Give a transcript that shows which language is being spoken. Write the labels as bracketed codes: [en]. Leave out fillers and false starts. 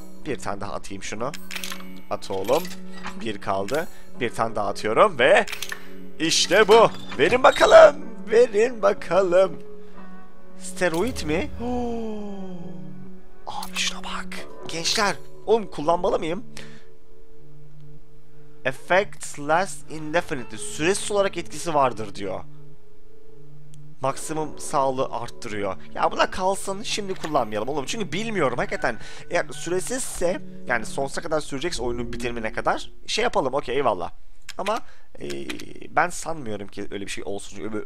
[tr] Bir tane daha atayım şunu. At oğlum. Bir kaldı. Bir tane daha atıyorum ve... işte bu. Verin bakalım. Verin bakalım. Steroid mi? Abi şuna bak. Gençler. Oğlum kullanmalı mıyım? [en] Effect last indefinitely. [tr] Süresiz olarak etkisi vardır diyor. Maksimum sağlığı arttırıyor. Ya buna kalsın, şimdi kullanmayalım oğlum. Çünkü bilmiyorum hakikaten. Eğer süresizse, yani sonsuza kadar sürecekse oyunun bitirmene kadar. Şey yapalım, okey eyvallah. Ama ben sanmıyorum ki öyle bir şey olsun.